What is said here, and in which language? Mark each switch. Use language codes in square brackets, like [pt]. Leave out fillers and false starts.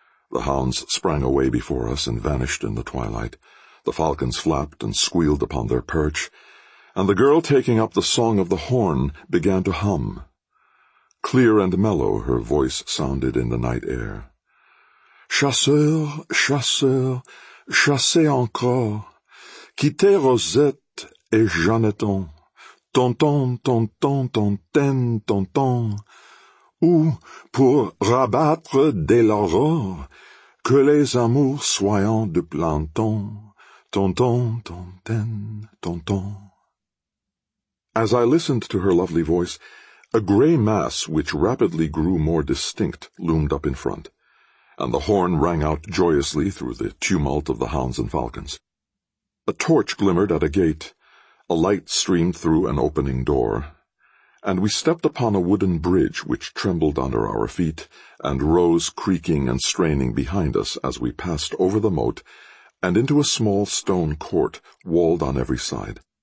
[en] The hounds sprang away before us and vanished in the twilight. The falcons flapped and squealed upon their perch, and the girl, taking up the song of the horn, began to hum. Clear and mellow her voice sounded in the night air. [fr] "Chasseur, chasseur, chassez encore, quittez Rosette et Jeanneton, tonton, tonton, tonten, tonton, ou pour rabattre dès l'aurore, que les amours soient de plein temps, tonton, tonten, tonton." [en] As I listened to her lovely voice, a gray mass which rapidly grew more distinct loomed up in front, and the horn rang out joyously through the tumult of the hounds and falcons. A torch glimmered at a gate, a light streamed through an opening door, and we stepped upon a wooden bridge which trembled under our feet and rose creaking and straining behind us as we passed over the moat and into a small stone court walled on every side.